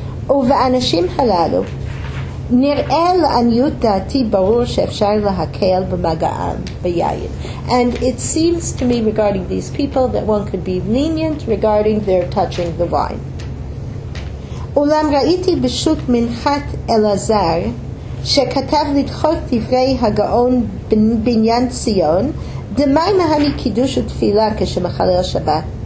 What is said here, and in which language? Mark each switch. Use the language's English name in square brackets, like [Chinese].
[Hebrew] ובאנשים הללו נראה לעניות דעתי ברור שאפשר להקל במגעם ביעין. [English] And it seems to me regarding these people that one could be lenient regarding their touching the wine. [Hebrew] אולם ראיתי בשוט מנחת אלעזר שכתב לדחות דברי הגאון בניין ציון דמי מהמי קידוש ותפילה כשמחלל שבת.